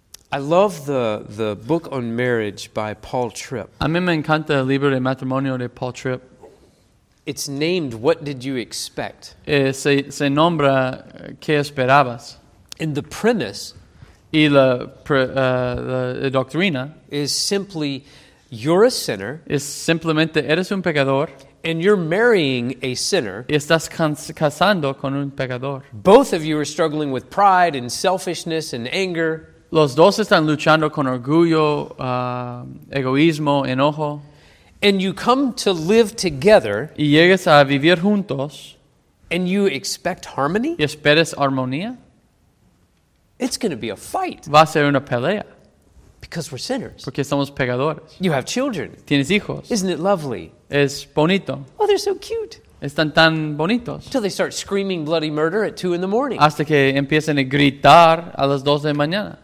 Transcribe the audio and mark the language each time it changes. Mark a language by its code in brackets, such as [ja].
[en] I love the book on marriage by Paul Tripp. [es] A mí me encanta el libro de matrimonio de Paul Tripp. [en] It's named What Did You Expect? [es] Se nombra ¿Qué esperabas? [en] And the premise [es] y la doctrina [en] is simply you're a sinner. [es] Es simplemente eres un pecador. [en] And you're marrying a sinner. [es] Y estás casando con un pecador. [en] Both of you are struggling with pride and selfishness and anger. [es] Los dos están luchando con orgullo, egoísmo, enojo. [en] And you come to live together. [es] Y llegas a vivir juntos. [en] And you expect harmony. [es] Y esperas armonía. [en] It's going to be a fight. [es] Va a ser una pelea. [en] Because we're sinners. [es] Porque somos pecadores. [en] You have children. [es] Tienes hijos. [en] Isn't it lovely? [es] Es bonito. [en] Oh, they're so cute. [es] Están tan bonitos. [en] Until they start screaming bloody murder at 2 in the morning. [es] Hasta que empiezan a gritar a las 2 de mañana.